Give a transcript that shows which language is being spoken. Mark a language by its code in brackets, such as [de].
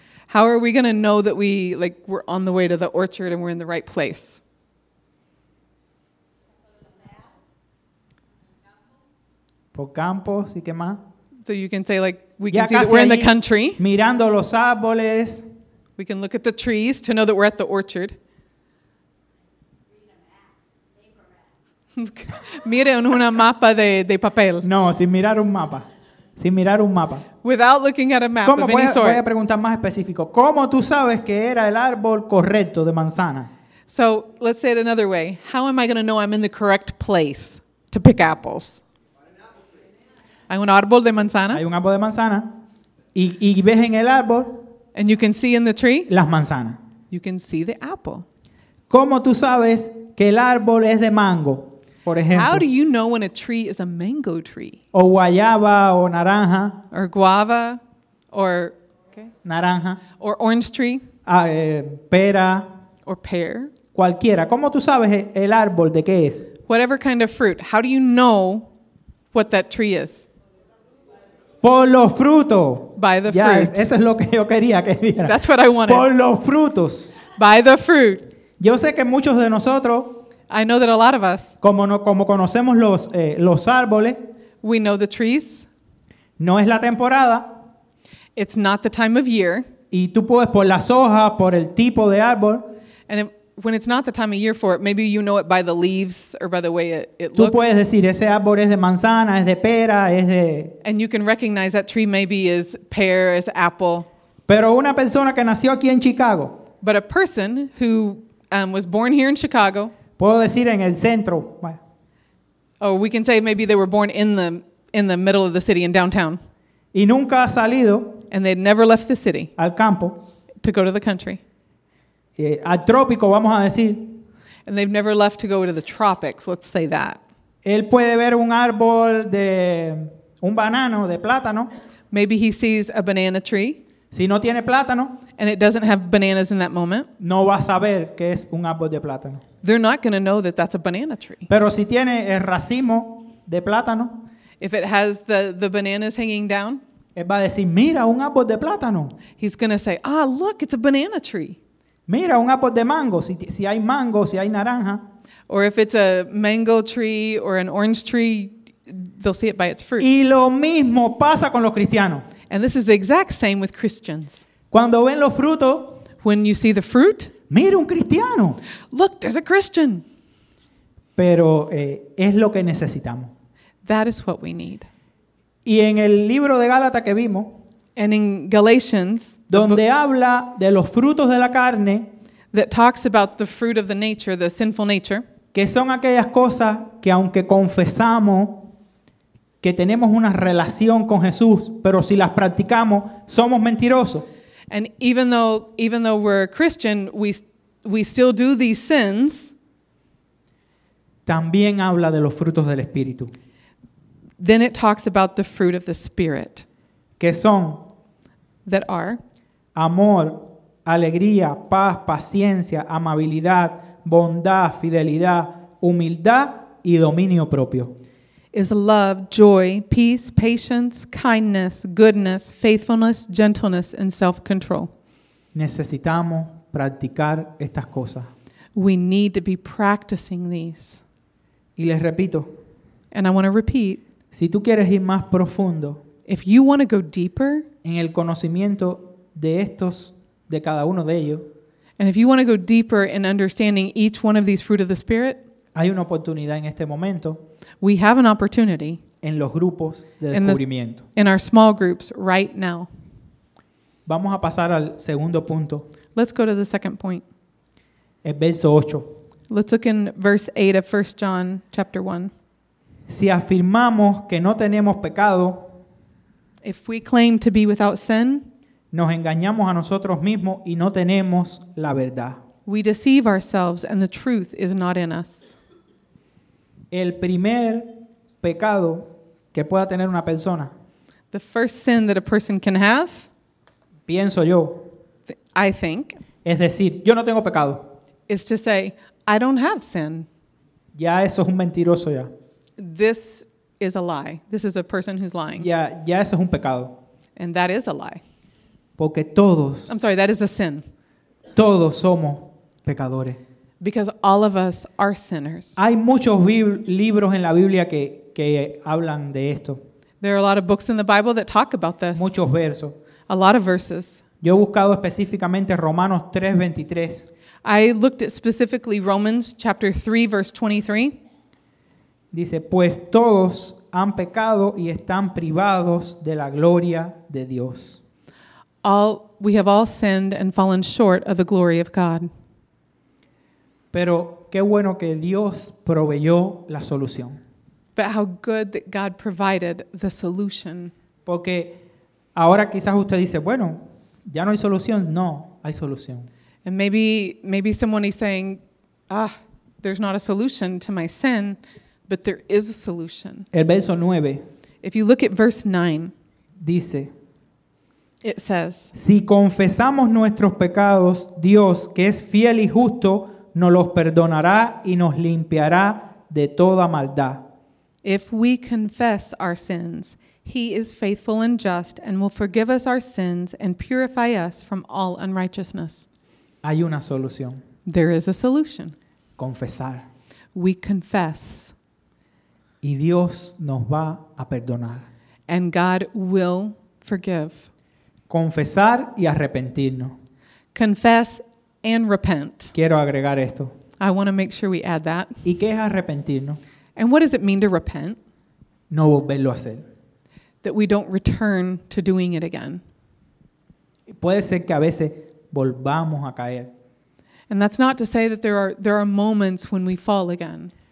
[en] How are we going to know that we're on the way to the orchard and we're in the right place? [es] Por campos y qué más. [en] So you can say we can see that we're in the country. [es] Mirando los árboles. [en] We can look at the trees to know that we're at the orchard. [es] Mire en una mapa de papel. No, sin mirar un mapa. Sin mirar un mapa. [en] Without looking at a map of any sort. [es] Voy a preguntar más específico. ¿Cómo tú sabes que era el árbol correcto de manzana? [en] So let's say it another way. How am I going to know I'm in the correct place to pick apples? [es] Hay un árbol de manzana. Hay un árbol de manzana. Y ves en el árbol. [en] And you can see in the tree. [es] Las manzanas. [en] You can see the apple. [es] ¿Cómo tú sabes que el árbol es de mango? Por ejemplo. [en] How do you know when a tree is a mango tree? [es] O guayaba o naranja. [en] Or guava. Or okay. [es] Naranja. [en] Or orange tree. [es] Pera. [en] Or pear. [es] Cualquiera. ¿Cómo tú sabes el árbol de qué es? [en] Whatever kind of fruit. How do you know what that tree is? [es] Por los frutos. [en] By the fruit. [es] Eso es lo que yo quería que diera. [en] That's what I wanted. [es] Por los frutos. [en] By the fruit. [es] Yo sé que muchos de nosotros, [en] I know that a lot of us, [es] como conocemos los árboles, [en] we know the trees. [es] No es la temporada. [en] It's not the time of year. [es] Y tú puedes por las hojas, por el tipo de árbol. [en] And when it's not the time of year for it, maybe you know it by the leaves or by the way it [es] tú [en] looks. [es] Puedes decir, ese árbol es de manzana, es de pera, es de... [en] And you can recognize that tree maybe is pear, is apple. [es] Pero una persona que nació aquí en Chicago. [en] But a person who was born here in Chicago. [es] Puedo decir en el centro. [en] Oh, we can say maybe they were born in the middle of the city in downtown. [es] Y nunca ha salido. [en] And they'd never left the city. [es] Al campo. [en] To go to the country. [es] Al trópico, vamos a decir. [en] And they've never left to go to the tropics, let's say that. [es] Él puede ver un árbol de un banano, de plátano. [en] Maybe he sees a banana tree. [es] Si no tiene plátano. [en] And it doesn't have bananas in that moment. [es] No va a saber que es un árbol de plátano. [en] They're not going to know that that's a banana tree. [es] Pero si tiene el racimo de plátano. [en] If it has the bananas hanging down. [es] Él va a decir, mira, un árbol de plátano. [en] He's going to say, ah, look, it's a banana tree. [es] Mira, un árbol de mango, si hay mango, si hay naranja. [en] Or if it's a mango tree or an orange tree, they'll see it by its fruit. [es] Y lo mismo pasa con los cristianos. [en] And this is the exact same with Christians. [es] Cuando ven los frutos, [en] when you see the fruit, [es] mira, un cristiano. [en] Look, there's a Christian. [es] Pero es lo que necesitamos. [en] That is what we need. [es] Y en el libro de Gálatas que vimos, [en] and in Galatians, [es] donde habla de los frutos de la carne, [en] that talks about the fruit of the nature, the sinful nature, [es] que son aquellas cosas que aunque confesamos que tenemos una relación con Jesús, pero si las practicamos, somos mentirosos. [en] And even though we're a Christian, we still do these sins, [es] también habla de los frutos del Espíritu. [en] Then it talks about the fruit of the Spirit. [es] ¿Qué son? [en] That are. [es] Amor, alegría, paz, paciencia, amabilidad, bondad, fidelidad, humildad y dominio propio. [en] Is love, joy, peace, patience, kindness, goodness, faithfulness, gentleness, and self-control. [es] Necesitamos practicar estas cosas. [en] We need to be practicing these. [es] Y les repito. [en] And I want to repeat. [es] Si tú quieres ir más profundo. [en] If you want to go deeper. [es] En el conocimiento de estos, de cada uno de ellos. [en] And if you want to go deeper in understanding each one of these fruit of the Spirit. [es] Hay una oportunidad en este momento. [en] We have an opportunity. [es] En los grupos de descubrimiento. [en] In our small groups right now. [es] Vamos a pasar al segundo punto. [en] Let's go to the second point. [es] El verso 8. [en] Let's look in verse 8 of 1 John chapter 1. [es] Si afirmamos que no tenemos pecado. [en] If we claim to be without sin. [es] Nos engañamos a nosotros mismos y no tenemos la verdad. [en] We deceive ourselves and the truth is not in us. [es] El primer pecado que pueda tener una persona. [en] The first sin that a person can have. [es] Pienso yo. [en] I think. [es] Es decir, yo no tengo pecado. [en] Is to say, I don't have sin. [es] Ya eso es un mentiroso ya. [en] This is a lie. This is a person who's lying. [es] Ya eso es un pecado. [en] And that is a lie. [es] Porque todos. [en] I'm sorry, that is a sin. [es] Todos somos pecadores. [en] Because all of us are sinners. [es] Hay muchos libros en la Biblia que hablan de esto. [en] There are a lot of books in the Bible that talk about this. [es] Muchos versos. [en] A lot of verses. [es] Yo he buscado específicamente Romanos 3:23. [en] I looked at specifically Romans chapter 3 verse 23. [es] Dice, pues todos han pecado y están privados de la gloria de Dios. [en] We have all sinned and fallen short of the glory of God. [es] Pero qué bueno que Dios proveyó la solución. [en] But how good that God provided the solution. [es] Porque ahora quizás usted dice, bueno, ya no hay solución. No, hay solución. [en] And maybe someone is saying, ah, there's not a solution to my sin, but there is a solution. [es] El verso 9. [en] If you look at verse 9. [es] Dice. [en] It says. [es] Si confesamos nuestros pecados, Dios, que es fiel y justo, nos los perdonará y nos limpiará de toda maldad. [en] If we confess our sins, He is faithful and just and will forgive us our sins and purify us from all unrighteousness. [es] Hay una solución. [en] There is a solution. [es] Confesar. [en] We confess. [es] Y Dios nos va a perdonar. [en] And God will forgive. [es] Confesar y arrepentirnos. [en] Confess and repent. [es] Quiero agregar esto. [en] I want to make sure we add that. [es] ¿Y qué es arrepentirnos? [en] And what does it mean to repent? [es] No volverlo a hacer. [en] That we don't return to doing it again. [es] Puede ser que a veces volvamos a caer. [en] And that's not to say that there are moments when we fall again.